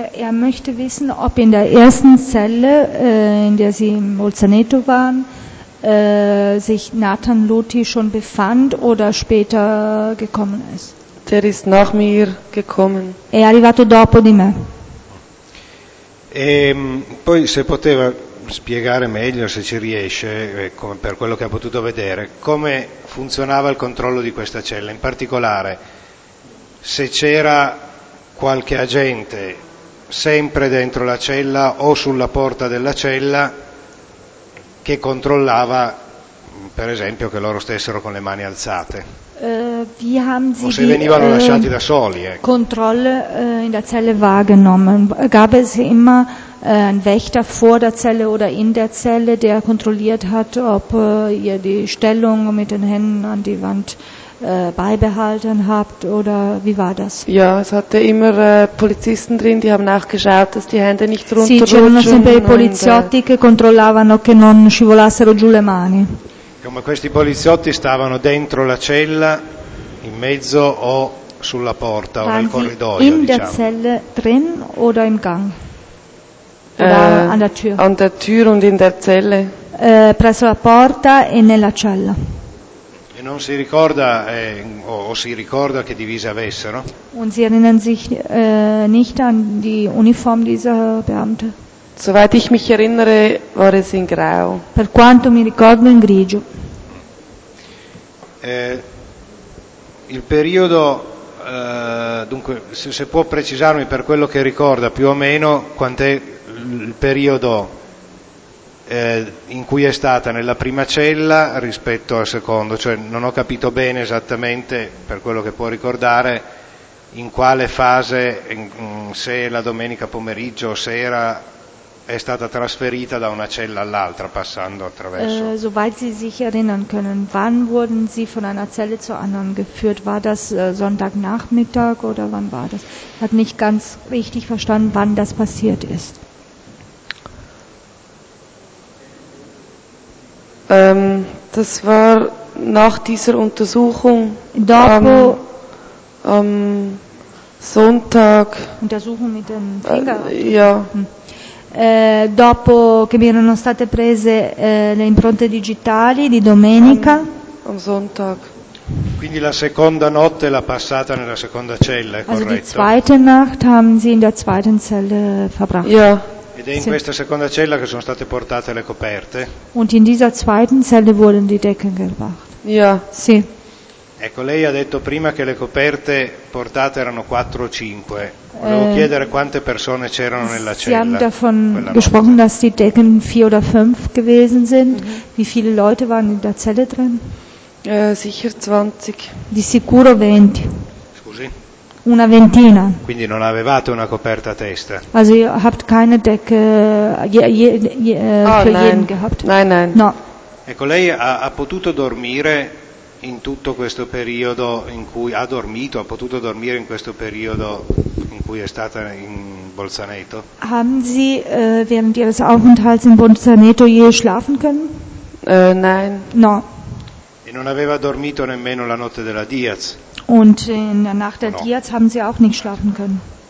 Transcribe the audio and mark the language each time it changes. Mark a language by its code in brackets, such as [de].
[de] Möchte wissen, ob in der ersten Zelle, in der sie in Bolzaneto waren, sich Nathan Luti schon befand oder später gekommen ist. Der ist nach mir gekommen. [it] È arrivato dopo di me. Poi se poteva spiegare meglio, se ci riesce, per quello che ha potuto vedere, come funzionava il controllo di questa cella, in particolare se c'era qualche agente sempre dentro la cella o sulla porta della cella che controllava, per esempio, che loro stessero con le mani alzate. [de] Wie haben Sie [it] o se venivano lasciati da soli. [de] Controllo in der Zelle wahrgenommen. Gab es immer ein Wächter vor der Zelle oder in der Zelle, der kontrolliert hat, ob ihr die Stellung mit den Händen an die Wand beibehalten habt oder wie war das? Ja, es hatte immer Polizisten drin, die haben nachgeschaut, dass die Hände nicht runterrutschen. [it] Sì, c'erano sempre i poliziotti che controllavano che non scivolassero giù le mani. Come questi poliziotti stavano dentro la cella, in mezzo o sulla porta o nel corridoio, [de] in der Zelle drin oder im Gang? an der Tür und in der Zelle. [it] Presso la porta e nella cella. E non si ricorda o si ricorda che divise avessero? [de] Und sie erinnern sich nicht an die Uniform dieser Beamte. Soweit ich mich erinnere, war es in grau. [it] Per quanto mi ricordo, in grigio. Il periodo, dunque, se può precisarmi per quello che ricorda più o meno, quant'è il periodo in cui è stata nella prima cella rispetto al secondo? Cioè, non ho capito bene esattamente, per quello che può ricordare, in quale fase, se la domenica pomeriggio o sera, è stata trasferita da una cella all'altra passando attraverso. [de] Soweit Sie sich erinnern können, wann wurden Sie von einer Zelle zur anderen geführt? War das Sonntagnachmittag oder wann war das? Ich habe nicht ganz richtig verstanden, wann das passiert ist. Das war nach dieser Untersuchung. [it] Dopo [de] Sonntag. Untersuchung mit dem Finger. Ja. [it] Dopo che mi erano state prese le impronte digitali di domenica. [de] Am Sonntag. [it] Quindi la seconda notte l'ha passata nella seconda cella, è corretto? [de] Also die zweite Nacht haben sie in der zweiten Zelle verbracht. Ja. [it] Ed è in questa seconda cella che sono state portate le coperte? [de] Und in dieser zweiten Zelle wurden die Decken gebracht. Ja. [it] Sì. Ecco, lei ha detto prima che le coperte portate erano 4 o 5. Volevo chiedere quante persone c'erano nella cella. [de] Sie haben davon gesprochen, dass die Decken 4 oder 5 gewesen sind. Mm-hmm. Wie viele Leute waren in der Zelle drin? Sicher 20. [it] Di sicuro 20. Scusi? Una ventina. Quindi non avevate una coperta a testa? [de] Also ihr habt keine Decke für jeden gehabt? Nein, nein. [it] No. Ecco, lei ha potuto dormire in tutto questo periodo in cui ha dormito, ha potuto dormire in questo periodo in cui è stata in Bolzaneto? [de] Haben Sie während Ihres Aufenthalts in Bolzaneto je schlafen können? Nein. [it] No. E non aveva dormito nemmeno la notte della Diaz? [de] Und in der Nacht der Diaz haben Sie auch nicht schlafen können?